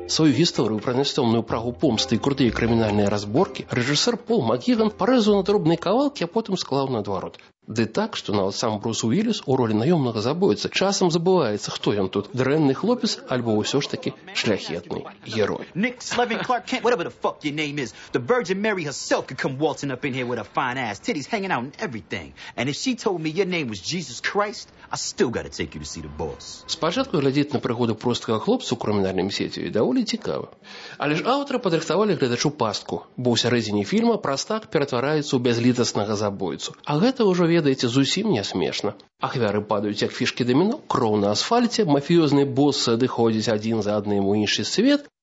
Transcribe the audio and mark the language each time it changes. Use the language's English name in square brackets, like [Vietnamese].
[Belarusian] Сваю гісторыю пра нястомную прагу помсты і крутыя крымінальныя разборкі рэжысэр Пол Макгіган парэзаў на дробныя кавалкі, а потым склаў наадварот. Ды так, што нават сам Брус Уіліс у ролі наёмнага забойца часам забываецца, хто ён тут – дрэнны хлопец альбо ўсё ж такі шляхетны герой. [English] Nick Slevin Clark Kent, whatever the fuck your name is, the Virgin Mary herself could come waltzing up in here with her fine ass, titties hanging out and everything. And if she told me your name was Jesus Christ, I still gotta take you to see the boss. [Belarusian] Спачатку глядзець на прыгоду простага хлопца ў крымінальным сеці даволі цікава. Але ж аўтары падрыхтавалі гледачу пастку, бо ў сярэдзіне фільма прастак ператвараецца ў бязлітаснага забойцу. А гэта ўжо, ведаеце, зусім не смешна. Ахвяры падаюць, як фішкі даміно, кроў на асфальце, мафіёзныя босы адыходзяць адзін за адным у іншы свет.